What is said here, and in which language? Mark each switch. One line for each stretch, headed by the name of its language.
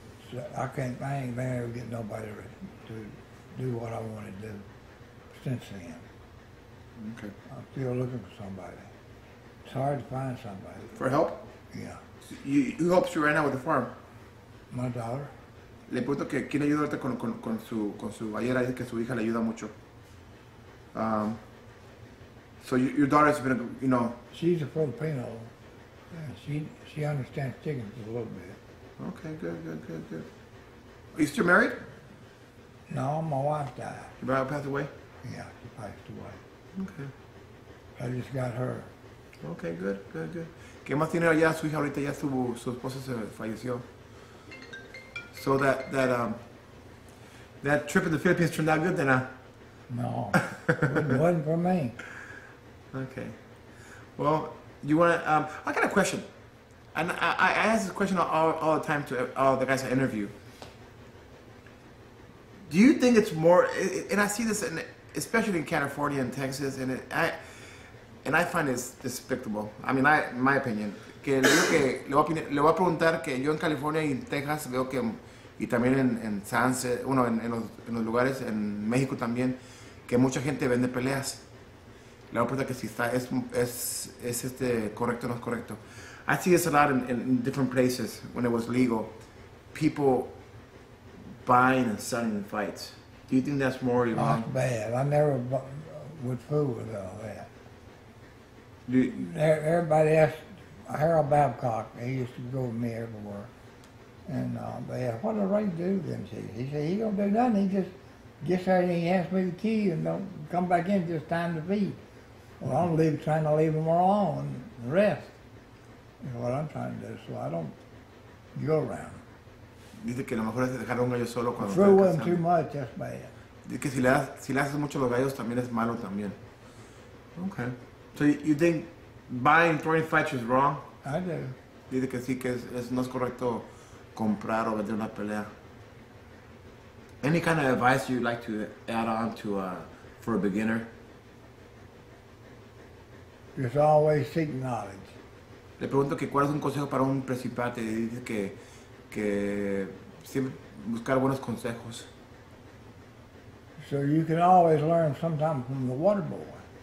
English: So I ain't been able to get nobody to do what I want to do since then. Okay. I'm still looking for somebody. It's hard to find somebody. For help? Yeah. So you, who helps you right now with the farm? My daughter.
Spanish: Le pregunto que quiere ayudarte con su gallera, dice que su hija le ayuda mucho.
English: So your daughter's been, you know. She's a Filipino. She understands chickens a little bit. Okay, good. Are you still married? No, my wife died. Your wife passed away? Yeah, she passed away. Okay. I just got her. Okay, good.
Spanish: ¿Qué más tiene allá su hija ahorita? Ya su esposa se falleció.
English: So that trip in the Philippines turned out good then, huh? No, it wasn't for me. Okay. Well, you want to, I got a question. And I ask this question all the time to all the guys I interview. Do you think it's more, and I see this in, especially in California and Texas, and I find it despicable. I mean, in my opinion.
Spanish: Que le voy a preguntar que yo en California y en Texas veo que, y también en Sunset, uno en los lugares, en México también, que mucha gente vende peleas. La pregunta que si está, es este correcto o no es correcto.
English: I see this a lot in different places when it was legal. People buying and selling in fights. Do you think that's more wrong? Not bad. I never would fool with all that. Everybody asked, Harold Babcock, he used to go with me everywhere. And they asked, what did Ray do then? He said, he don't do nothing. He just gets there and he hands me the key and don't come back in just time to feed. Well, I'm trying to leave him alone and rest. You know what I'm trying to do, so I don't go around.
Spanish: Dice que lo mejor es dejar un gallo solo cuando está casado.
English: Too much, that's bad.
Spanish: Dice que si le haces mucho los gallos también es malo también.
English: Okay. So you think buying throwing fights is wrong? I do.
Spanish: Dice que sí que es no es correcto comprar o vender una pelea.
English: Any kind of advice you'd like to add on to for a beginner? Just always seek knowledge.
Spanish: Le pregunto que cuál es un consejo para un principiante y dice que siempre buscar buenos consejos.
English: So you can always learn sometime from the water boy.